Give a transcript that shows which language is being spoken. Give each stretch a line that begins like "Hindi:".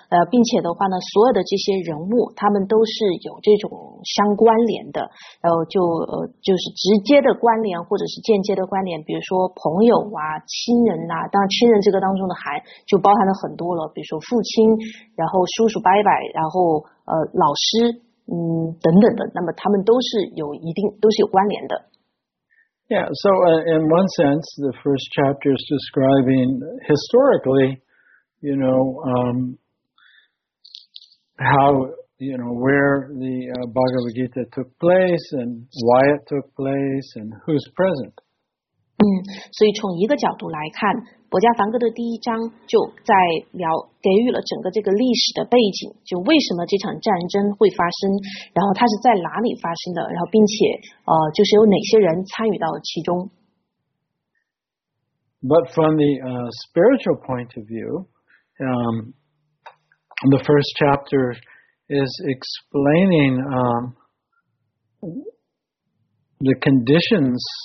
Chinese: 并且的话呢，所有的这些人物他们都是有这种相关联的，就是直接的关联或者是间接的关联，比如说朋友啊、亲人啊，当然亲人这个当中的含就包含了很多了，比如说父亲，然后叔叔伯伯，然后老师，等等的，那么他们都是有一定都是有关联的。
English: Yeah, so in one sense, the first chapter is describing historically, you know, how, you know, where the Bhagavad Gita took place and why it took place and who's present.
Chinese: 所以从一个角度来看，博伽梵歌的第一章就在给予了整个这个历史的背景，就为什么这场战争会发生，然后它是在哪里发生的，然后并且就是有哪些人参与到了其中。
English: But from the spiritual point of view, the first chapter is explaining the conditions